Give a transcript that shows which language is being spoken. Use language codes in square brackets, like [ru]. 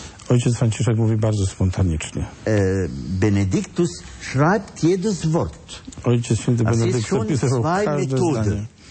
[pl] Ojciec Franciszek mówi bardzo spontanicznie. [de] Benediktus schreibt jedes Wort. [pl] Ojciec Święty Benedykt pisał każde zdanie.